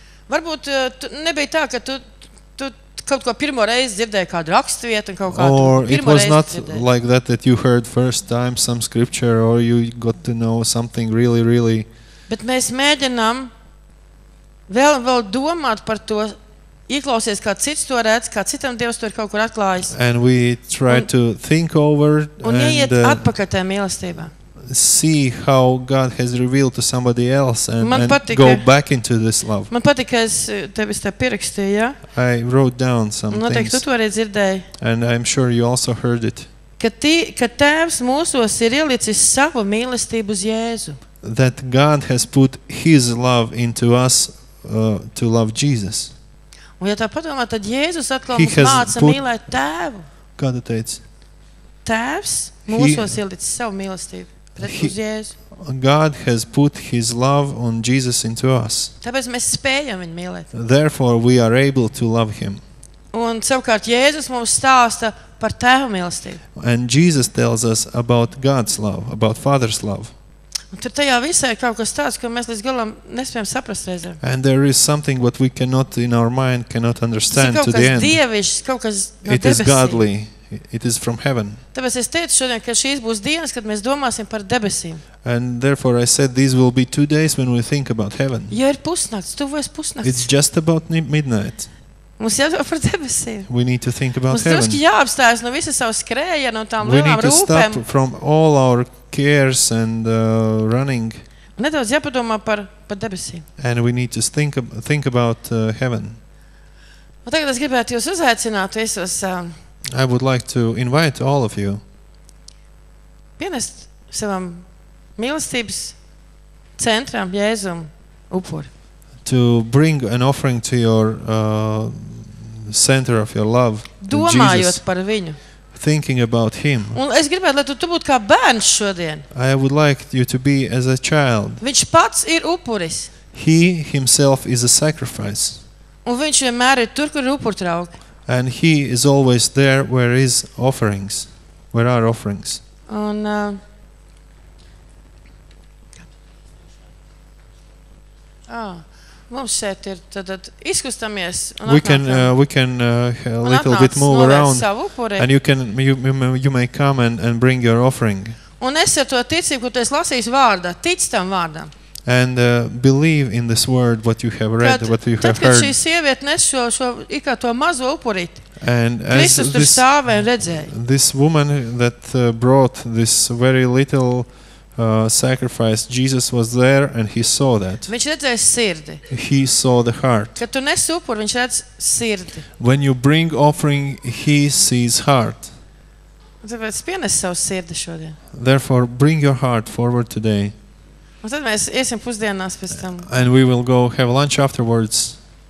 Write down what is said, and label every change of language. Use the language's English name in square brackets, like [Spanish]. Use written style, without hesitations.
[Latvian] Varbūt nebija tā, ka tu kaut ko pirmo reizi dzirdēji kādu rakstvietu un kaut kādu pirmo reizi [English] it was not like that you heard first time some scripture or you got to know something really, really. [Latvian] Bet mēs mēģinām vēl domāt par to, ieklausies, kā cits to redz, kā citam Dievs to ir kaut kur atklājis. [English] And we try to think over [Latvian] un ieiet atpakaļ tajā mīlestībā. [English] See how God has revealed to somebody else and go back into this love. [Latvian] Man patika, ka es tevi tā pierakstīju, ja? [English] I wrote down some [Latvian] noteikti, [English] things. [Latvian] Tu to arī dzirdēji. [English] And I'm sure you also heard it. [Latvian] Ka tēvs mūsos ir ielicis savu mīlestību uz Jēzu. [English] That God has put his love into us to love Jesus. [Latvian] Un ja tā padomā, tad Jēzus atklāja mums māca mīlēt tēvu. Kā tu teici? Tēvs mūsos ielicis savu mīlestību pret uz Jēzu. [English] God has put his love on Jesus into us. [Latvian] Tāpēc mēs spējam viņu mīlēt. [English] Therefore we are able to love him. [Latvian] Un savukārt Jēzus mums stāsta par tēvu mīlestību. [English] And Jesus tells us about God's love, about Father's love. [Latvian] Un tur tajā visā ir kaut kas tāds, ko mēs līdz galam nespējam saprast reizēm. [English] And there is something what we cannot in our mind cannot understand to the end. [Latvian] Tas ir kaut kas dievišs, kaut kas no debesīm. [English] It is godly. It is from heaven. [Latvian] Tāpēc es teicu šodien, ka šīs būs dienas, kad mēs domāsim par debesīm. [English] And therefore I said these will be two days when we think about heaven. [Latvian] Ja ir pusnakts, tuvojas pusnakts. [English] It's just about midnight. [Latvian] Mums jādomā par debesīm. [English] We need to think about heaven. [Latvian] Mums drusku jāapstājas no visa savu skrējienu un tām lielām rūpēm. [English] We need to stop from all our cares and running. [Latvian] Nedaudz jāpadomā par debesīm. [English] And we need to think about heaven. [Latvian] Un tagad es gribētu jūs uzaicināt visus. [English] I would like to invite all of you. [Latvian] Pienest savam mīlestības centram Jēzum upuri. [English] To bring an offering to your center of your love, [Latvian] domājot [English] Jesus, [Latvian] par viņu. [English] thinking about him. [Latvian] Un es gribētu, lai tu būtu kā bērns šodien. [English] I would like you to be as a child. [Latvian] Viņš pats ir upuris. [English] He himself is a sacrifice. [Latvian] Un viņš vienmēr ir tur, kur ir upurtrauki. [English] And he is always there where is offerings, where are offerings. [Latvian] Un mums šeit ir tad izkustamies un [English] we can a little bit move around and you may come and bring your offering. [Latvian] Un es ar to ticību, ko tu esi lasījis vārdā, tic tam vārdam. [English] And believe in this word what you have read, [Latvian] kad, [English] what you have heard. [Latvian] Tad, kad šī sievieta nes šo ikā to mazo upurīti, Kristus tur stāvē un redzēja. [English] This woman that brought this very little sacrifice, Jesus was there and he saw that. [Latvian] Viņš redzēja sirdi. [English] He saw the heart. [Latvian] Kad tu nesi upuri, viņš redz sirdi. [English] When you bring offering, he sees heart. [Latvian] Tāpēc pienesi savu sirdi šodien. [English] Therefore, bring your heart forward today. [Latvian] Un tad mēs iesim pusdienās pēc tam. [English] And we will go have lunch afterwards.